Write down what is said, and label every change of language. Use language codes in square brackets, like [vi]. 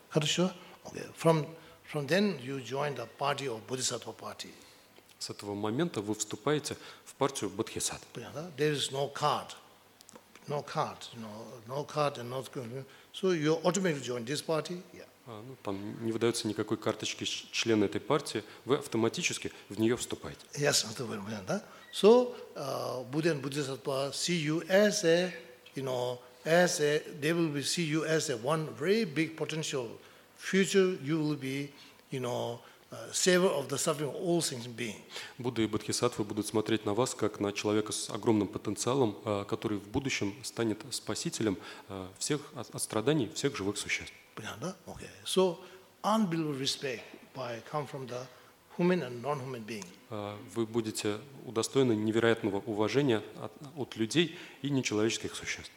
[ru] Хорошо. Okay. [en] From then you join the party of Bodhisattva party. [ru] С этого момента вы вступаете в партию Бодхисаттв. Понятно? [en] There is no card. So you automatically join this party. Yeah. [ru] Там не выдается никакой карточки члена этой партии. Вы автоматически в нее вступаете. [en] Yes, automatically. [ru] Да? [en] So Buddha and Bodhisattva see you as a, you know, as a, they will be see you as a one very big potential. Future, you will be, you know, savior of the suffering of all sentient beings. [ru] Будда и Бодхисаттвы будут смотреть на вас как на человека с огромным потенциалом, который в будущем станет спасителем всех от страданий всех живых существ. Понятно? Okay. [en] So, unbelievable respect by come from the human and non-human being. [ru] Вы будете удостоены невероятного уважения от людей и нечеловеческих существ.